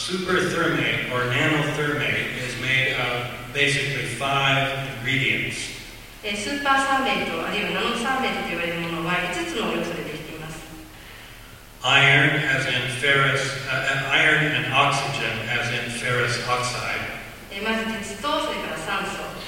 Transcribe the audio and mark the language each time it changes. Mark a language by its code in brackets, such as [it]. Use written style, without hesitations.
[en] Superthermate or nanothermate is made of basically five ingredients. [ja] スーパーサーメイト、あるいはナノサーメイトと呼ばれるものは5つの要素でできています。 [en] Iron, as in ferrous, iron and oxygen, as in ferrous oxide. [ja] まず鉄と、それから酸素。